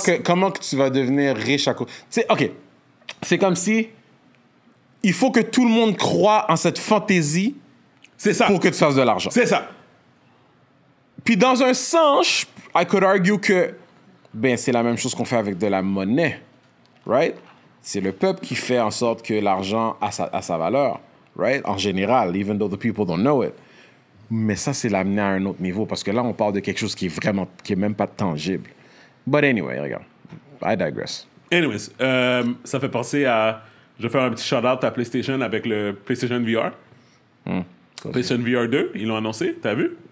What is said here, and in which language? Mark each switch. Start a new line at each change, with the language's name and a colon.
French: Comment que tu vas devenir riche à cause. Tu sais, ok, c'est comme si il faut que tout le monde croit en cette fantaisie. C'est ça. Pour que tu fasses de l'argent. C'est ça. Puis dans un sens,
English: I could argue
French: que ben c'est la même chose qu'on fait avec de la monnaie. Right? C'est le peuple qui fait en sorte que l'argent a sa valeur.
English: Right?
French: En général,
English: even though the people don't know it.
French: Mais ça, c'est l'amener à un autre niveau parce que là, on parle de quelque chose qui est vraiment, qui est même pas tangible.
English: But anyway, regarde. I digress.
French: Anyways, ça fait penser à... Je vais faire un petit shout-out à PlayStation avec le PlayStation VR. PlayStation VR 2, ils l'ont annoncé, t'as vu?